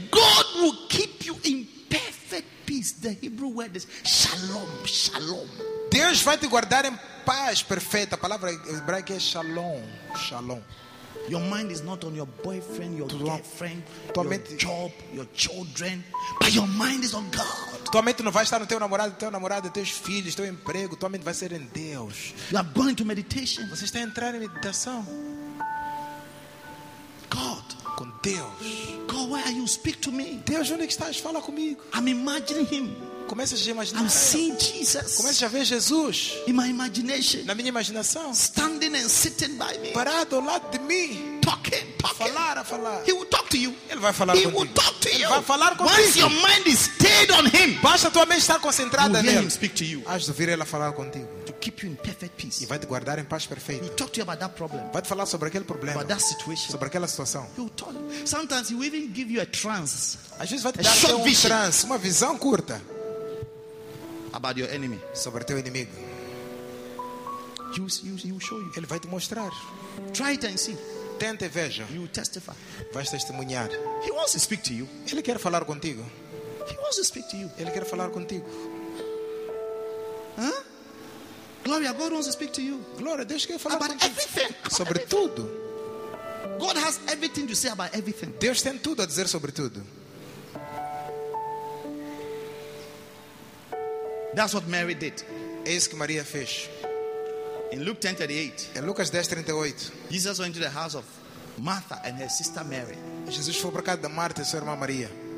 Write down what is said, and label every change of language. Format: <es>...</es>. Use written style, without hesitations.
<en>God will keep you in The Hebrew word is shalom, shalom.</en> <pt>Deus vai te guardar em paz perfeita. A palavra hebraica é shalom, shalom.</pt> <en>Your mind is not on your boyfriend, your girlfriend, your</en> <pt>mente,</pt> <en>job, your children, but your mind is on God.</en> <pt>Tua mente não vai estar no teu namorado, teus filhos, teu emprego. Tua mente vai ser em Deus.</pt> <en>You are going to meditation.</en> <pt>Você está entrando em meditação. Deus.</pt> <en>God, why are you speak to me?</en> <pt>Deus, onde estás? Fala comigo.</pt> <en>I'm imagining him.</en> <pt>Começa a imaginar.</pt> <en>I'm seeing Jesus.</en> <pt>Começa a ver Jesus.</pt> <en>In my imagination.</en> <pt>Na minha imaginação.</pt> <en>Standing and sitting by me.</en> <pt>Parado ao lado de mim.</pt> <en>Talking, talking.</en> <pt>Falar a falar.</pt> <en>He will talk to you.</en> <pt>Ele vai falar</pt> <en>he</en> <pt>contigo.</pt> <en>He will talk to</en> <pt>Ele</pt> <en>you.</en> <pt>Vai falar contigo.</pt> <en>Once your mind is stayed on him.</en> <pt>Basta tua mente estar concentrada nele.</pt> <en>He will speak to you.</en> <pt>Hás de ouvir ele a falar contigo.</pt> <en>To keep you in perfect peace.</en> <pt>E vai te guardar em paz perfeita.</pt> <en>He will talk to you about that problem.</en> <pt>Vai te falar sobre aquele problema.</pt> <en>About that situation.</en> <pt>Sobre aquela situação.</pt> <en>He will talk. Sometimes he will even give you a trance.</en> <pt>Às vezes vai te dar um trance, uma visão curta.</pt> <en>About your enemy.</en> <pt>Sobre teu inimigo.</pt> <en>He will show you.</en> <pt>Ele vai te mostrar.</pt> <en>Try it and see.</en> <pt>Tenta e veja.</pt> <en>He will testify.</en> <pt>Vai testemunhar.</pt> <en>He wants to speak to you.</en> <pt>Ele quer falar contigo.</pt> <en>He wants to speak to you.</en> <pt>Ele quer falar contigo.</pt> <en>Huh? Gloria, God wants to speak to you.</en> <pt>Glória, Deus quer falar</pt> <en>about</en> <pt>contigo.</pt> <en>Everything.</en> <pt>Sobre tudo.</pt> <en>God has everything to say about everything.</en> <pt>Deus tem tudo a dizer sobre tudo.</pt> <en>That's what Mary did.</en> <pt>É isso que Maria fez.</pt> <en>In Luke 10:38.</en> <pt>Em Lucas 10:38.</pt> <en>Jesus went to the house of Martha and her sister Mary.</en> <pt>Jesus foi para casa de Marta e sua irmã Maria.</pt>